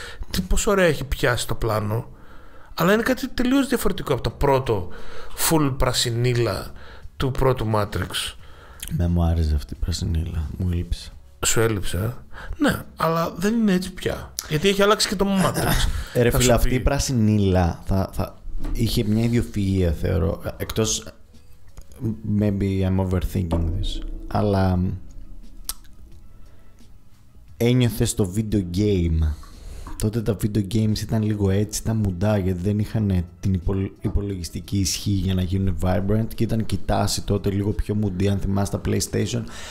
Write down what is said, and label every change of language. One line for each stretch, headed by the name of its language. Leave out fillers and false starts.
Greek: Τι, πόσο ωραία έχει πιάσει το πλάνο. Αλλά είναι κάτι τελείως διαφορετικό από το πρώτο full πρασινίλα του πρώτου Matrix. Ναι, μου άρεσε αυτή η πρασινήλα. Μου έλειψε. Σου έλειψε, ναι, αλλά δεν είναι έτσι πια. Γιατί έχει αλλάξει και το Matrix. Ρε φίλε, αυτή η πρασινήλα θα είχε μια ιδιοφυΐα, θεωρώ. Εκτός,
English: maybe I'm overthinking this.
Greek: Αλλά ένιωθες το video game. Τότε τα video games ήταν λίγο έτσι, ήταν μουντά, γιατί δεν είχαν την υπολογιστική ισχύ για να γίνουν vibrant και ήταν και η τάση τότε λίγο πιο μουντή, αν θυμάσαι τα PlayStation.